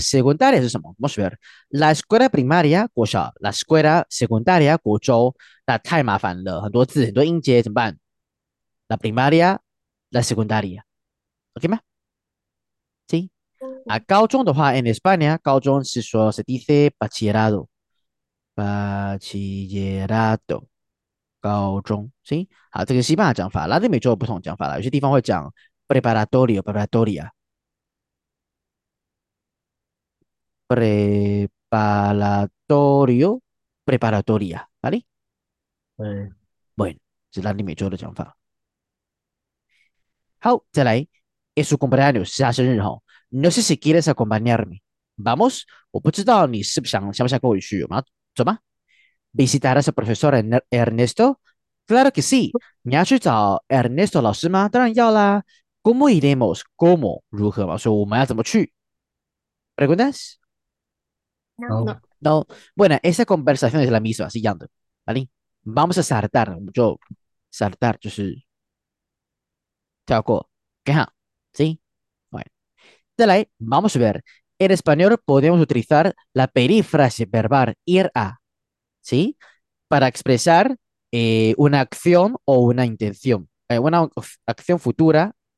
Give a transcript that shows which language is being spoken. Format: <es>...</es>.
<es>¿Secundaria es eso? Vamos a ver. La escuela primaria, Guoshao. La escuela secundaria, Guozhou. La primaria, la secundaria. ¿Ok? ¿Sí?</es> <zh>A 高中的话，in España，高中是说</zh> <es>se dice bachillerato。</es> <zh>bachillerato，高中，行，好，这个西班牙讲法，拉丁美洲有不同讲法了，有些地方会讲 preparatorio preparatoria。 preparatorio preparatoria，哪里？对。 bueno，是拉丁美洲的讲法。好，再来，</zh> <es>es su cumpleaños，</es> <zh>是他生日哈。</zh> <es>No sé si quieres acompañarme.</es> <zh>Vamos, 我不知道你是想不想跟我去，吗？走吧。</zh> <es>Visitar a su profesor Ernesto? Claro que sí.</es> <zh>你要去找 Ernesto 老师吗？当然要啦。</zh> <es>¿Cómo iremos? ¿Cómo?</es> <zh>如何嘛？所以我们要怎么去？Preguntas?</zh> <es>No, no. No. Bueno, esa conversación es la misma, es igual. ¿Vale? Vamos a saltar.</es> <zh>我们就 saltar 就是跳过。</zh> <es>¿Qué ha? ¿Sí? Vamos a ver. En español podemos utilizar la perífrasis verbal ir a, ¿sí? Para expresar una acción o una intención. Una acción futura.</es>